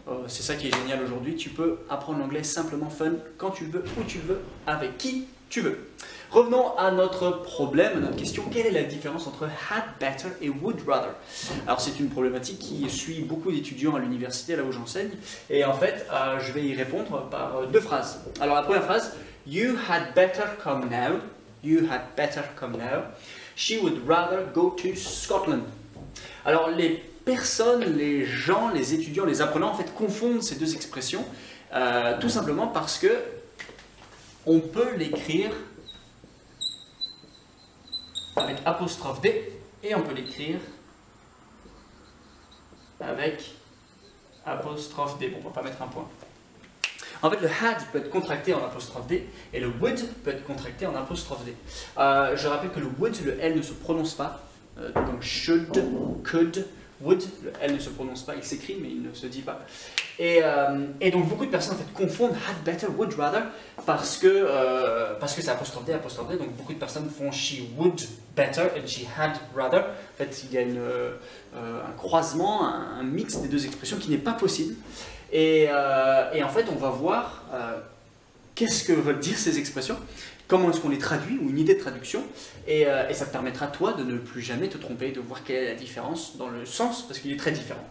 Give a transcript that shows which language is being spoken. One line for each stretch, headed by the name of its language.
French: C'est ça qui est génial aujourd'hui. Tu peux apprendre l'anglais simplement fun, quand tu veux, où tu veux, avec qui tu veux. Revenons à notre problème, à notre question. Quelle est la différence entre had better et would rather? Alors, c'est une problématique qui suit beaucoup d'étudiants à l'université, là où j'enseigne. Et en fait, je vais y répondre par deux phrases. Alors, la première phrase,
English: you had better come now. You had better come now. She would rather go to Scotland.
French: Alors, les personnes, les gens, les étudiants, les apprenants, en fait, confondent ces deux expressions tout simplement parce que on peut l'écrire avec apostrophe D et on peut l'écrire avec apostrophe D. Bon, on ne va pas mettre un point. En fait, le had peut être contracté en apostrophe D et le would peut être contracté en apostrophe D. Je rappelle que le would, le L ne se prononce pas. Donc should, could, would, le L ne se prononce pas. Il s'écrit mais il ne se dit pas. Et donc beaucoup de personnes en fait confondent had better, would rather parce que c'est apostrophe D, apostrophe D. Donc beaucoup de personnes font
English: she would better and she had rather.
French: En fait, il y a un croisement, un mix des deux expressions qui n'est pas possible. Et en fait, on va voir qu'est-ce que veulent dire ces expressions, comment est-ce qu'on les traduit ou une idée de traduction. Et ça te permettra, toi, de ne plus jamais te tromper, de voir quelle est la différence dans le sens, parce qu'il est très différent.